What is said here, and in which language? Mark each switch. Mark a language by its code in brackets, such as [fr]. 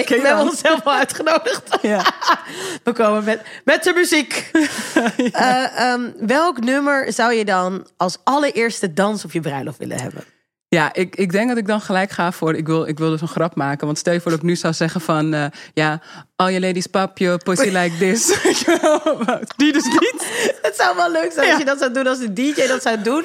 [nl] Okay, we hebben onszelf al uitgenodigd. Ja. We komen met de muziek. Ja. Welk nummer zou je dan als allereerste dans op je bruiloft willen hebben? Ja, ik denk dat ik dan gelijk ga voor... Ik wil dus een grap maken. Want stel je voor dat ik nu zou zeggen van... [en] all your ladies pop your pussy like this. [nl] Die dus niet. Het zou wel leuk zijn als je dat zou doen als de DJ dat zou doen.